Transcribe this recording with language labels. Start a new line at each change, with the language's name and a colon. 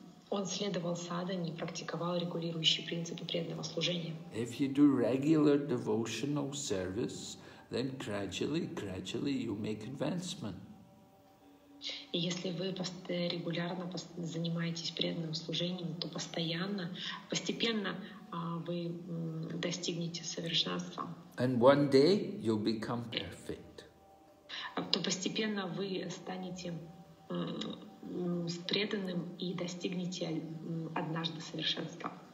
Russian: Он следовал садхане, практиковал регулирующие принципы преданного служения.
English: If you do regular devotional service, then gradually you make advancement.
Russian: И если вы регулярно занимаетесь преданным служением, то постепенно вы достигнете совершенства.
English: And one day you'll become perfect.
Russian: То постепенно вы станете с преданным и достигнете однажды совершенства.